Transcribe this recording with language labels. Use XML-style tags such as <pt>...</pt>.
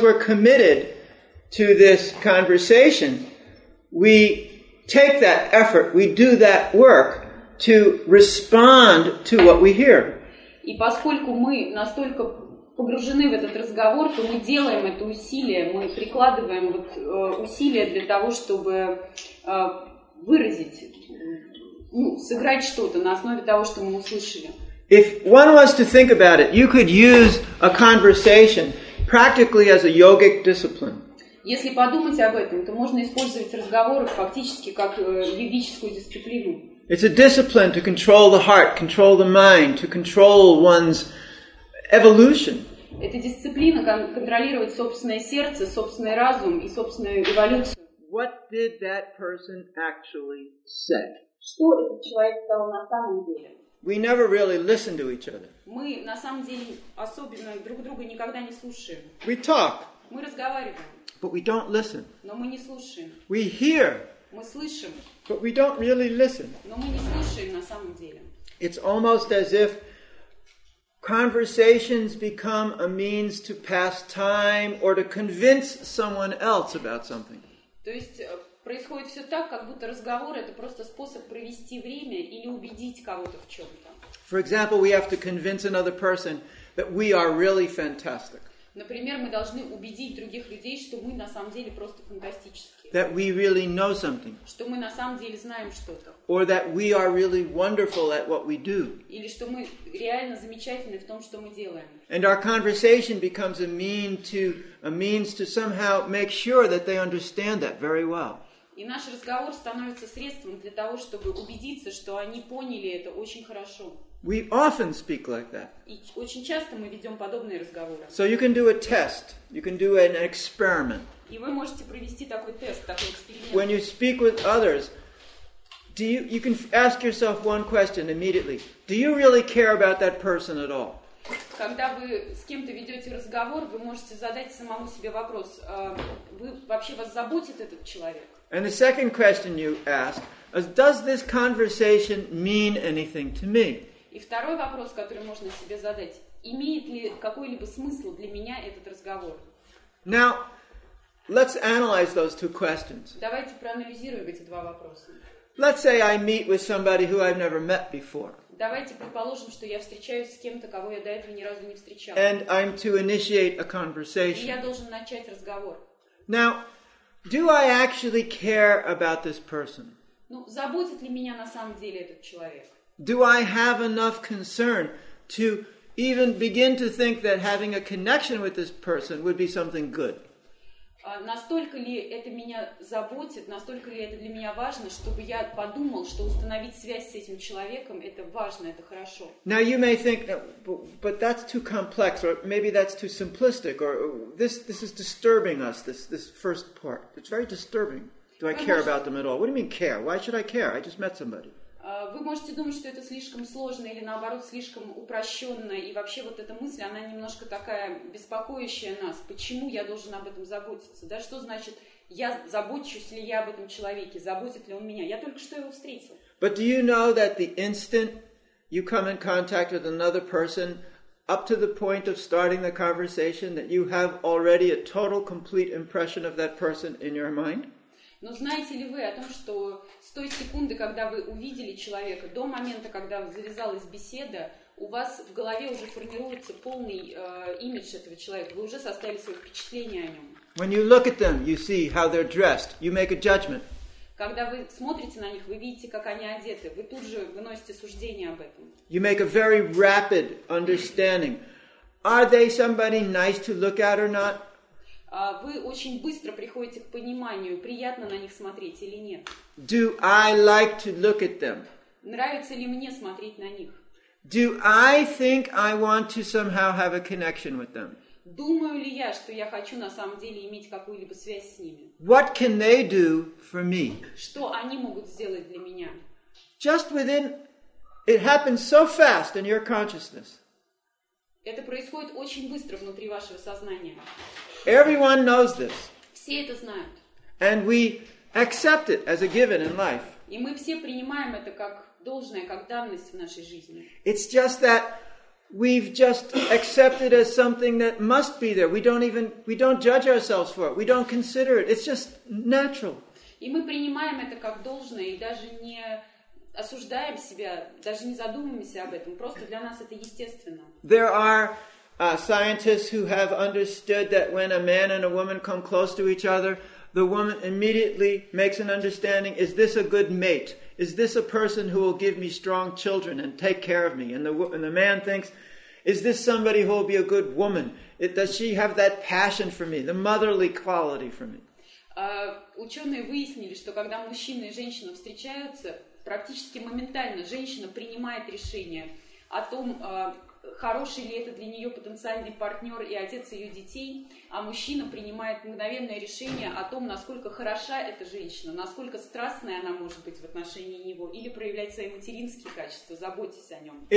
<en>we're committed to this conversation, we take that effort, we do that work to respond to what we hear.</en> <ru>И поскольку мы настолько погружены в этот разговор, то мы делаем это усилие, мы прикладываем вот усилия для того, чтобы выразить, ну, сыграть что-то на основе того, что мы услышали.</ru> <en>If one was to think about it, you could use a conversation practically as a yogic discipline.</en> <ru>Если подумать об этом, то можно использовать разговоры фактически как йогическую дисциплину.</ru> <en>It's a discipline to control the heart, control the mind, to control one's evolution.</en> <ru>Это дисциплина контролировать собственное сердце, собственный разум и собственную эволюцию.</ru> <en>What did that person actually say?</en> <ru>Что этот человек сказал на самом деле?</ru> <en>We never really listen to each other.</en> <ru>Мы на самом деле особенно друг друга никогда не слушаем.</ru> <en>We talk.</en> <ru>Мы разговариваем.</ru> <en>But we don't listen.</en> <ru>Но мы не слушаем.</ru> <en>We hear.</en> <ru>Мы слышим.</ru> <en>But we don't really listen.</en> <ru>Но мы не слушаем на самом деле.</ru> <en>It's almost as if conversations become a means to pass time or to convince someone else about something.</en> <ru>То есть происходит все так, как будто разговор это просто способ провести время или убедить кого-то в чем-то.</ru> <en>For example, we have to convince another person that we are really fantastic.</en> <ru>Например, мы должны убедить других людей, что мы на самом деле просто фантастические.</ru> <en>That we really know something.</en> <ru>Что мы на самом деле знаем что-то.</ru> <en>Or that we are really wonderful at what we do.</en> <ru>Или что мы реально замечательны в том, что мы делаем.</ru> <en>And our conversation becomes a means to somehow make sure that they understand that very well.</en> <ru>И наш разговор становится средством для того, чтобы убедиться, что они поняли это очень хорошо.</ru> <en>We often speak like that.</en> <ru>И очень часто мы ведем подобные разговоры.</ru> <en>So you can do a test. You can do an experiment.</en> <ru>И вы можете провести такой тест, такой эксперимент.</ru> <en>When you speak with others, you can ask yourself one question immediately. Do you really care about that person at all?</en> <ru>Когда вы с кем-то ведете разговор, вы можете задать самому себе вопрос. Вы вообще вас заботит этот человек?</ru> <en>And the second question you ask is, does this conversation mean anything to me?</en> <ru>И второй вопрос, который можно себе задать, имеет ли какой-либо смысл для меня этот разговор?</ru> <en>Now, let's analyze those two questions.</en> <ru>Давайте проанализируем эти два вопроса.</ru> <en>Let's say I meet with somebody who I've never met before.</en> <ru>Давайте предположим, что я встречаюсь с кем-то, кого я до этого ни разу не встречал.</ru> <en>And I'm to initiate a conversation.</en> <ru>И я должен начать разговор.</ru> <en>Now, do I actually care about this person?</en> <ru>Ну, заботит ли меня на самом деле этот человек?</ru> <en>Do I have enough concern to even begin to think that having a connection with this person would be something good?</en> <ru>Настолько ли это меня заботит, настолько ли это для меня важно, чтобы я подумал, что установить связь с этим человеком это важно, это хорошо.</ru> <en>Now you may think, but that's too complex, or maybe that's too simplistic, or this is disturbing us, this first part. It's very disturbing. Do I care about them at all? What do you mean care? Why should I care? I just met somebody.</en> <ru>Вы можете думать, что это слишком сложно или, наоборот, слишком упрощенно. И вообще вот эта мысль, она немножко такая беспокоящая нас. Почему я должен об этом заботиться? Да что значит, я забочусь ли я об этом человеке? Заботит ли он меня? Я только что его встретил.</ru> <en>But do you know that the instant you come in contact with another person, up to the point of starting the conversation, that you have already a total, complete impression of that person in your mind?</en> <ru>Но знаете ли вы о том, что с той секунды, когда вы увидели человека, до момента, когда завязалась беседа, у вас в голове уже формируется полный имидж этого человека, вы уже составили свое впечатление о нем.</ru> <en>When you look at them, you see how they're dressed. You make a judgment.</en> <ru>Когда вы смотрите на них, вы видите, как они одеты, вы тут же выносите суждение об этом.</ru> <en>You make a very rapid understanding. Are they somebody nice to look at or not?</en> <ru>Вы очень быстро приходите к пониманию, приятно на них смотреть или нет.</ru> <en>Do I like to look at them?</en> <ru>Нравится ли мне смотреть на них?</ru> <en>Do I think I want to somehow have a connection with them?</en> <ru>Думаю ли я, что я хочу на самом деле иметь какую-либо связь с ними?</ru> <en>What can they do for me?</en> <ru>Что они могут сделать для меня?</ru> <en>Just within, it happens so fast in your consciousness.</en> <ru>Это происходит очень быстро внутри вашего сознания.</ru> <en>Everyone knows this.</en> <ru>Все это знают.</ru> <en>And we accept it as a given in life.</en> <ru>И мы все принимаем это как должное, как данность в нашей жизни.</ru> <en>It's just that we've just accepted as something that must be there. We don't judge ourselves for it. We don't consider it. It's just natural.</en> <ru>И мы принимаем это как должное и даже не осуждаем себя, даже не задумываемся об этом. Просто для нас это естественно.</ru> <en>There are scientists who have understood that when a man and a woman come close to each other, the woman immediately makes an understanding, is this a good mate? Is this a person who will give me strong children and take care of me? And the man thinks, is this somebody who will be a good woman? Does she have that passion for me, the motherly quality for me?</en> <ru>Ученые выяснили, что когда мужчина и женщина встречаются, практически моментально женщина принимает решение о том, хороший ли это для нее потенциальный партнер и отец ее детей, а мужчина принимает мгновенное решение о том, насколько хороша эта женщина, насколько страстная она может быть в отношении него, или проявлять свои материнские качества, заботиться о нем.</ru>